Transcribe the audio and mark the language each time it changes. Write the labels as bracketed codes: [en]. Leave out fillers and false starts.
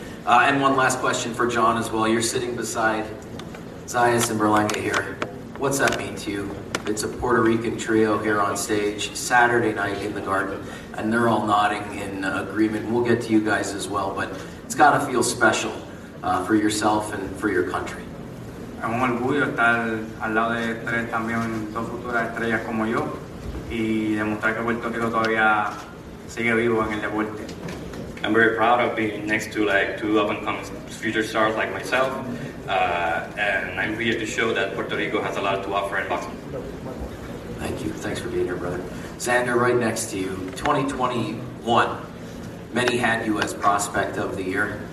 [en] And one last question for John as well. You're sitting beside Zayas and Berlanga here. What's that mean to you? It's a Puerto Rican trio here on stage, Saturday night in the Garden, and they're all nodding in agreement. We'll get to you guys as well, but it's got to feel special for yourself and for your country. [es] Es un orgullo estar al lado de tres también dos futuras estrellas como yo y demostrar que Puerto Rico todavía sigue vivo en el deporte. [en] I'm very proud of being next to like two up-and-coming future stars like myself. And I'm here to show that Puerto Rico has a lot to offer in boxing. Thank you. Thanks for being here, brother. Xander, right next to you. 2021, many had you as prospect of the year.